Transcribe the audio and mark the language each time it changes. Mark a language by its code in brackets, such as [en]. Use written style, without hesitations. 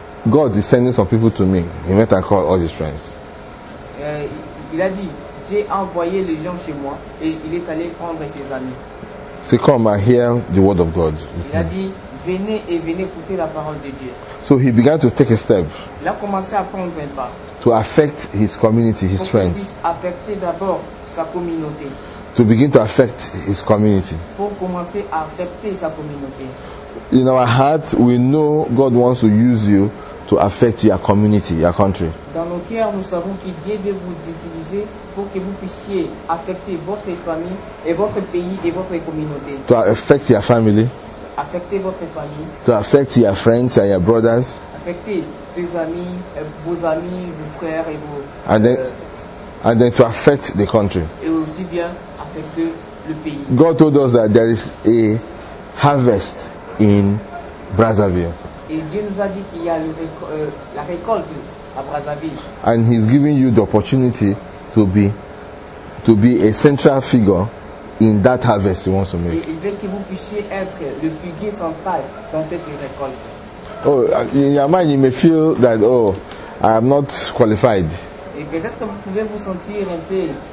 [en] God is sending some people to me. He went and called all his friends. [fr] Il a dit, j'ai envoyé les gens chez moi et il est allé prendre ses amis. [en] So come and hear the word of God. [fr] Il a dit, venez et venez écouter la parole de Dieu. [en] So he began to take a step. [fr] Il a commencé à prendre un pas. [en] To affect his community, his friends. [fr] Pour qu'il puisse affecter d'abord sa communauté. [en] To begin to affect his community. [fr] Pour commencer à affecter sa communauté. [en] In our heart, we know God wants to use you to affect your community, your country. [fr] Dans nos cœurs, nous savons que Dieu veut vous utiliser pour que vous puissiez affecter votre famille et votre pays et votre communauté. [en] To affect your family. [fr] Affecter votre famille. [en] To affect your friends and your brothers. [fr] Affecter vos amis, vos frères et vos. [en] And then to affect the country. [fr] Et aussi bien affecter le pays. [en] God told us that there is a harvest in Brazzaville. [fr] Et Dieu nous a dit qu'il y a la récolte à Brazzaville. [en] And he's giving you the opportunity to be a central figure in that harvest he wants to make. [fr] Et il veut que vous puissiez être le figuier central dans cette récolte. [en] Oh, in your mind you may feel that, oh, I am not qualified. [fr] Et peut-être que vous pouvez vous sentir un peu.